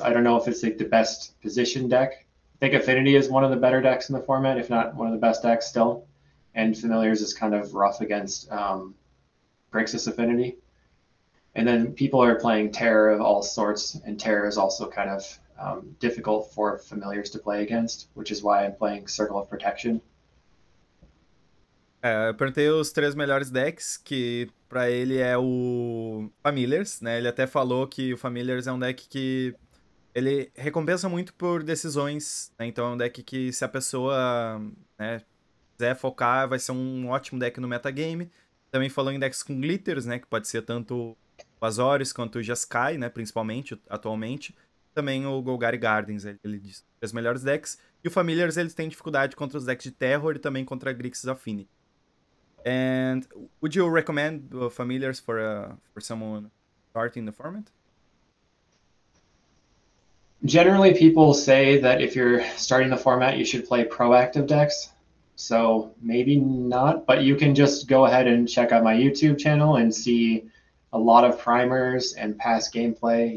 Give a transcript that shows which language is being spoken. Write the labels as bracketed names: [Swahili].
[English] I don't know if it's like the best position deck. I think Affinity is one of the better decks in the format, if not one of the best decks still. And Familiars is kind of rough against Grixis Affinity. And then people are playing Terror of all sorts, and Terror is also kind of difficult for Familiars to play against, which is why I'm playing Circle of Protection. [Portuguese] Eu perguntei os três melhores decks, que pra ele é o Familiars, né? Ele até falou que o Familiars é um deck que ele recompensa muito por decisões, né? Então é um deck que se a pessoa, né, quiser focar, vai ser um ótimo deck no metagame. Também falou em decks com glitters, né, que pode ser tanto o Azorius quanto o Jeskai, né, principalmente atualmente. Também o Golgari Gardens, ele diz, os melhores decks. E o Familiars, eles têm dificuldade contra os decks de Terror e também contra Grixis Affinity. [English] And would you recommend Familiars for someone starting the format? Generally, people say that if you're starting the format, you should play proactive decks. So maybe not, but you can just go ahead and check out my YouTube channel and see a lot of primers and past gameplay.